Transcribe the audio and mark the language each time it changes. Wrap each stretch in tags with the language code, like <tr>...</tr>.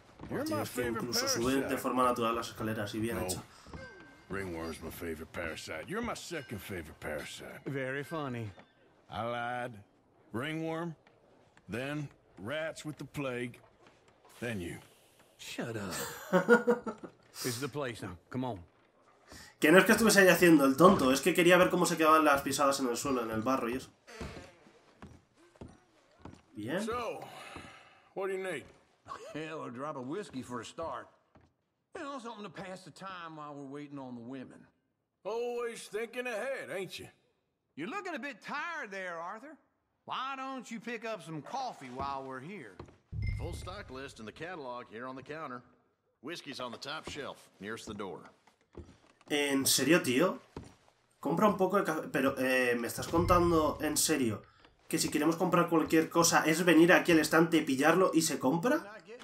<en>You're my favorite parasite. Ringworm's my favorite parasite. You're my second favorite parasite. Very funny. I lied. Ringworm, then rats with the plague, then you. Shut up. This is the place now. Come on.</en> <es>Que no es que estuviese ahí haciendo el tonto, es que quería ver cómo se quedaban las pisadas en el suelo, en el barro y eso. Bien.</es> <en>So, what do you need? Hell, a drop of whiskey for a start. You know, something to pass the time while we're waiting on the women. Always thinking ahead, ain't you? You're looking a bit tired there, Arthur. Why don't you pick up some coffee while we're here? Full stock list in the catalog here on the counter. Whiskey's on the top shelf, nearest the door.</en> <es>¿En serio, tío? Compra un poco de café. Pero, ¿me estás contando en serio que si queremos comprar cualquier cosa es venir aquí al estante, pillarlo y se compra?</es>